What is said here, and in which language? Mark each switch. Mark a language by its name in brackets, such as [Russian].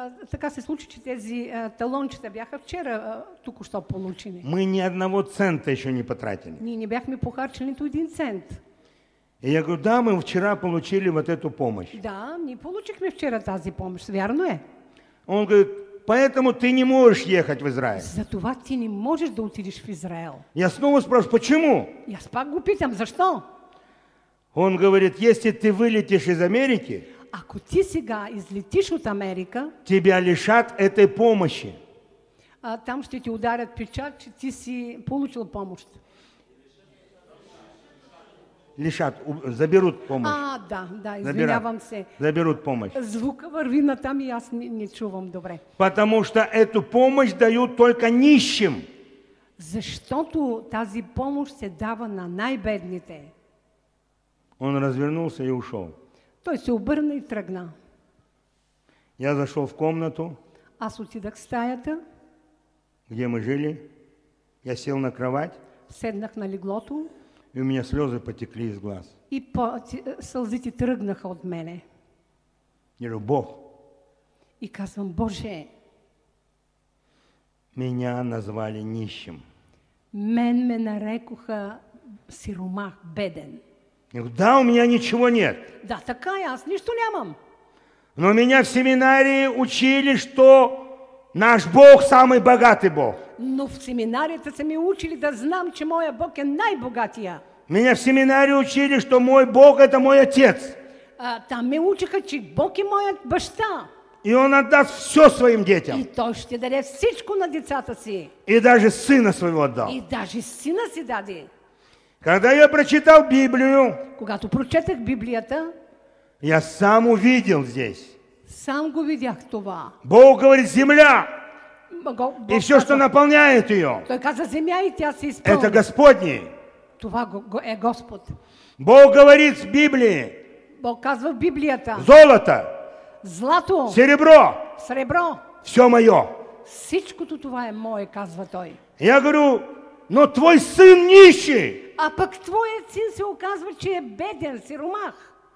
[Bulgarian] Така се случи, че тези талончета бяха вчера току-що получени. [Russian] Мы ни одного цента еще не потратили. [Bulgarian] Ние не бяхме похарчили нито един цент. [Russian] И я говорю, да, мы вчера получили вот эту помощь. [Bulgarian] Да, ние получихме вчера тази помощь, верно е? [Russian] Он говорит, поэтому ты не можешь ехать в Израиль. [Bulgarian] Затова ти не можеш да отидеш в Израил. [Russian] Я снова спрашиваю, почему? [Bulgarian] Я пак го питам, защо? [Russian] Он говорит, если ты вылетишь из Америки, [Bulgarian] ако ти сега излетиш от Америка, [Russian] тебя лишат этой помощи. [Bulgarian] А там ще ти ударят печат, че ти си получил помощ. [Russian] Лишат, заберут помощь. [Bulgarian] А, да, да, извинявам се. [Russian] Заберут помощь. [Bulgarian] Звука върви на там и аз не чувам добре. [Russian] Потому что эту помощь дают только нищим. [Bulgarian] Защото тази помощ се дава на най-бедните. [Russian] Он развернулся и ушел. [Bulgarian] Той се обърна и тръгна. [Russian] Я зашел в комнату. [Bulgarian] Аз отидах в стаята. [Russian] Где мы жили. Я сел на кровать. [Bulgarian] Седнах на леглото. [Russian] И у меня слезы потекли из глаз. [Bulgarian] И слезы тръгнаха от мене. [Russian] Я говорю, Бог. [Bulgarian] И казвам, Боже. [Russian] Меня назвали нищим. [Bulgarian] Мен ме нарекоха сиромах, беден. [Russian] Я говорю, да, у меня ничего нет. [Bulgarian] Да, [Russian] такая, [Bulgarian] аз нищо нямам. [Russian] Но меня в семинарии учили, что наш Бог самый богатый Бог. [Bulgarian] Но в семинарията са ми учили да знам, че моя Бог е най-богатия. [Russian] Меня в семинарии учили, что мой Бог – это мой отец. [Bulgarian] Там ме учиха, че Бог е моят баща. [Russian] И он отдаст все своим детям. [Bulgarian] И той ще даде всичко на децата си. [Russian] И даже сына своего отдал. [Bulgarian] И даже сына си даде. [Russian] Когда я прочитал Библию, [Bulgarian] когато прочетах Библията, [Russian] я сам увидел здесь. [Bulgarian] Сам го видях това. [Russian] Бог говорит, земля. Бог и все, казал, что наполняет ее. [Bulgarian] Той каза, земя и тя се изпълни. [Russian] Это Господне. [Bulgarian] Това е Господ. [Russian] Бог говорит в Библии. [Bulgarian] Бог казва в Библията. [Russian] Золото. [Bulgarian] Злато. [Russian] Серебро. [Bulgarian] Сребро. [Russian] Все мое. [Bulgarian] Всичкото това е мое, казва той. [Russian] Я говорю, но твой сын нищий. [Bulgarian] А пък твоят син се оказва, че е беден, сиромах.